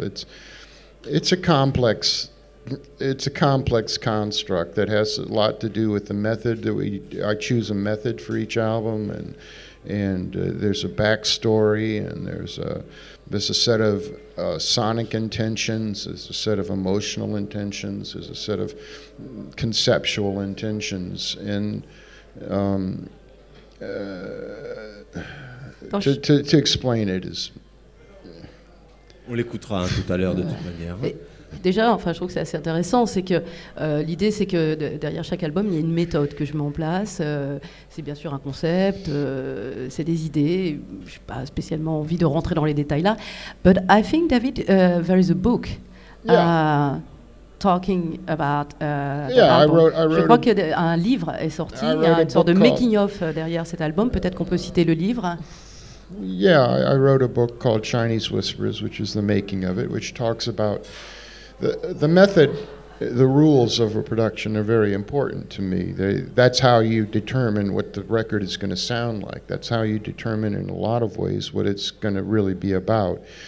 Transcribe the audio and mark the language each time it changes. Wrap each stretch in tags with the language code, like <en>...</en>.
<en>It's a complex construct that has a lot to do with the method that I choose a method for each album, and there's a backstory, and there's a set of sonic intentions, there's a set of emotional intentions, there's a set of conceptual intentions, and to explain it is.</en> <fr>On l'écoutera tout à l'heure de toute manière. Déjà, enfin, je trouve que c'est assez intéressant, c'est que l'idée, c'est que derrière chaque album, il y a une méthode que je mets en place. C'est bien sûr un concept, c'est des idées. Je n'ai pas spécialement envie de rentrer dans les détails là.</fr> <en>But I think, David, there is a book talking about I wrote</en> <fr>je crois qu'un livre est sorti, il y a une sorte de making-of derrière cet album. Peut-être qu'on peut citer le livre.</fr> <en>Yeah, I wrote a book called Chinese Whispers, which is the making of it, which talks about the method. The rules of a production are very important to me. That's how you determine what the record is going to sound like. That's how you determine, in a lot of ways, what it's going to really be about.</en>